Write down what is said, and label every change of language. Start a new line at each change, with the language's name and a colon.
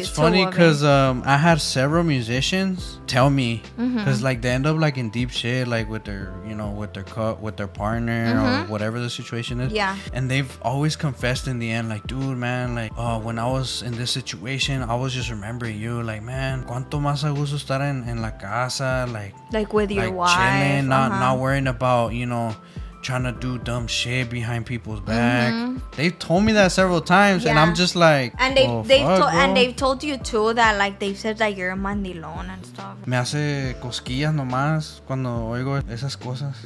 English: It's funny because I had several musicians tell me, because like, they end up like in deep shit, like with their, you know, with their partner or whatever the situation is. Yeah. And they've always confessed in the end, like, dude, man, like, when I was in this situation, I was just remembering you. Like, man,
Spanish: cuánto más a gusto estar en la casa, like
English: with your wife, chilling, not worrying about, you know, trying to do dumb shit behind people's back. They've told me that several times. Yeah. And I'm just like, and they've told you too that, like, they've said that you're a mandilón and stuff.
Spanish: Me hace cosquillas nomás cuando oigo esas cosas.